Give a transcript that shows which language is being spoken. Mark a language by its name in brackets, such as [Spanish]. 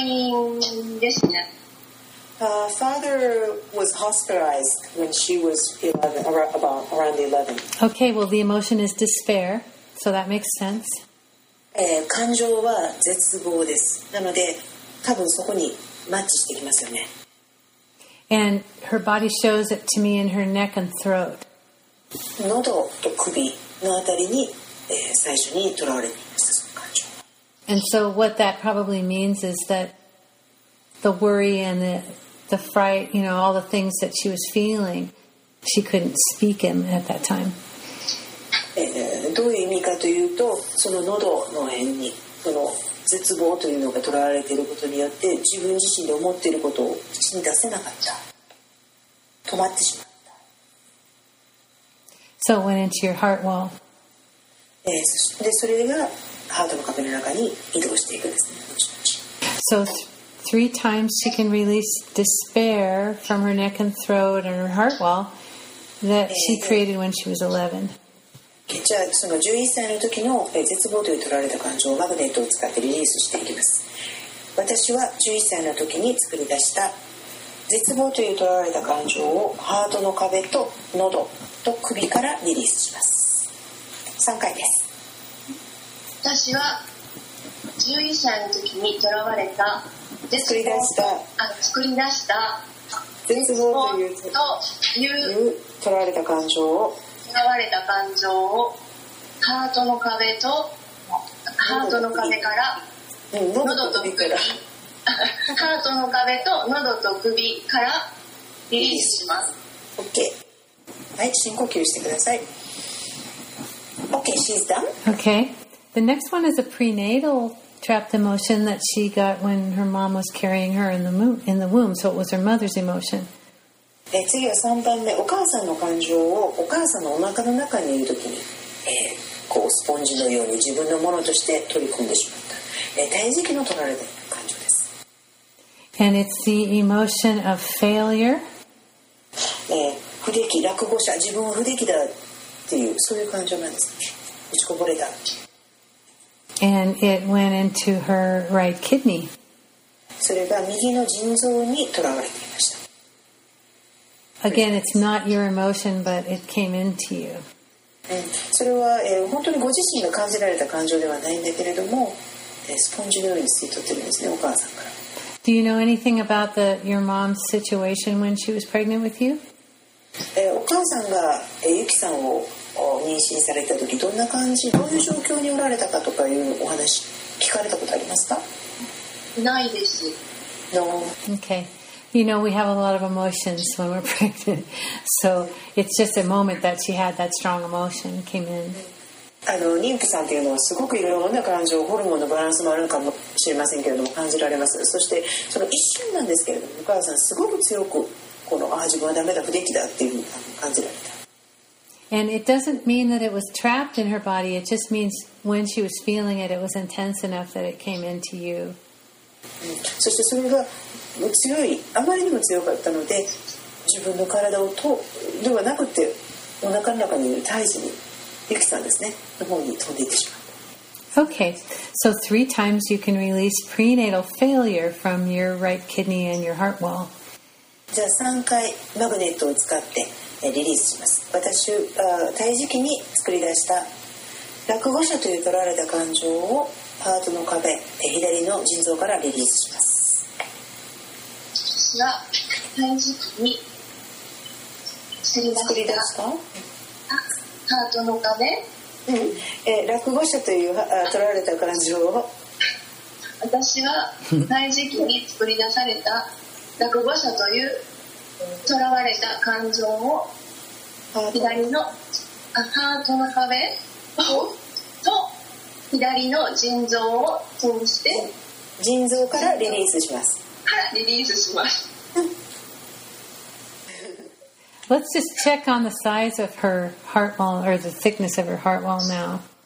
[English] Father was hospitalized when she was 11, around 11. Okay, well, the emotion is despair, so that makes sense. [Japanese] 感情は絶望です。なので、多分そこにマッチしてきますよね。 [English] And her body shows it to me in her neck and throat. [Japanese] 喉と首のあたりに、最初に囚われています。 [English] And so what that probably means is that the worry and the fright, you know, all the things that she was feeling, she couldn't speak him at that time. [Japanese] どういう意味かというと、その喉の辺に、その絶望というのが囚われていることによって、自分自身で思っていることを口に出せなかった。止まってしまった。 [English] So it went into your heart wall. [Japanese] で、それが、ハートの壁の中に移動していくですね。 [English] So three times she can release despair from her neck and throat and her heart wall that she created when she was 11. [Japanese] じゃあその11歳の時の絶望という取られた感情をマグネットを使ってリリースしていきます。私は11歳の時に作り出した絶望という取られた感情をハートの壁と喉と首からリリースします。 3回です。私は11歳の時に囚われた絶望、作り出した、あ、作り出した絶望という囚われた感情を、囚われた感情をハートの壁と、ハートの壁から喉と首からハートの壁と喉と首からリリースします。 OK、 はい、深呼吸してください。 [English] OK, she's done. OK, the next one is a prenatal trapped emotion that she got when her mom was carrying her in the womb, so it was her mother's emotion. [Japanese] 次は3番目、お母さんの感情をお母さんのお腹の中にいるときに、こうスポンジのように自分のものとして取り込んでしまった、胎児期の取られた感情です。 [English] And it's the emotion of failure. [Japanese] 不出来、落後者、自分は不出来だっていう、そういう感情なんです。落ちこぼれた。 [English] And it went into her right kidney. [Japanese] それが右の腎臓に囚われていました。 [English] Again, it's not your emotion, but it came into you. [Japanese] それは、本当にご自身が感じられた感情ではないんだけれども、スポンジのように吸い取ってるんですね、お母さんから。 [English] Do you know anything about your mom's situation when she was pregnant with you? [Japanese] お母さんが、ゆきさんを妊娠された時どんな感じ、どういう状況におられたかとかいうお話聞かれたことありますか？ないです。 [English] No. Okay. You know, we have a lot of emotions when we're pregnant, so it's just a moment that she had that strong emotion came in. [Japanese] 妊婦さんっていうのはすごくいろいろな感情、ホルモンのバランスもあるかもしれませんけれども感じられます。そしてその一瞬なんですけれども、お母さんすごく強くこの、ああ自分はダメだ不出来だっていうふうに感じられた。 [English] And it doesn't mean that it was trapped in her body. It just means when she was feeling it, it was intense enough that it came into you. [Japanese] そしてそれが強い、あまりにも強かったので、自分の体をとではなくて、お腹の中にいる胎児に、ゆきさんですね、の方に飛んでいってしまった。 [English] Okay, so three times you can release prenatal failure from your right kidney and your heart wall. [Japanese] じゃあ三回マグネットを使って、リリースします。私は胎児期に作り出した落語者という取られた感情をハートの壁、左の腎臓からリリースします。私は胎児期に作り出したハートの壁、落語者という取られた感情を、私は胎児期に作り出された落語者という囚われた感情を左のハートの壁と左の腎臓を通して、腎臓からリリースします、からリリースします。 [English] Let's just check on the size of her heart wall or the thickness of her heart wall now.